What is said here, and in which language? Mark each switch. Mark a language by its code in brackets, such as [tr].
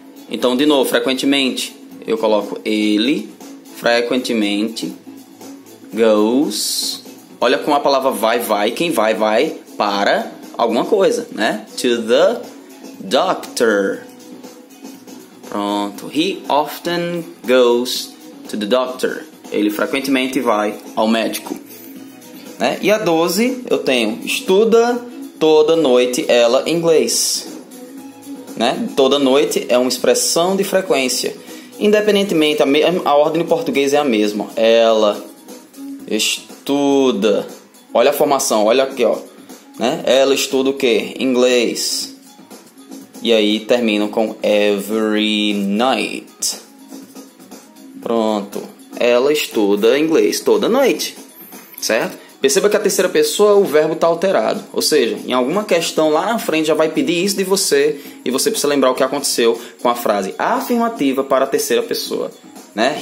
[pt] Então, de novo, frequentemente, eu coloco ele, frequentemente, goes. Olha como a palavra vai, vai, quem vai, vai para alguma coisa, né? [en] To the doctor. Pronto. He often goes to the doctor. [pt] Ele frequentemente vai ao médico. Né? E a 12, eu tenho estuda... Toda noite ela inglês, né? Toda noite é uma expressão de frequência. Independentemente, a ordem em português é a mesma. Ela estuda. Olha a formação, olha aqui, ó. Né? Ela estuda o quê? Inglês. E aí termino com [en] every night. [pt] Pronto. Ela estuda inglês toda noite, certo? Perceba que a terceira pessoa, o verbo está alterado. Ou seja, em alguma questão lá na frente já vai pedir isso de você e você precisa lembrar o que aconteceu com a frase afirmativa para a terceira pessoa. Né?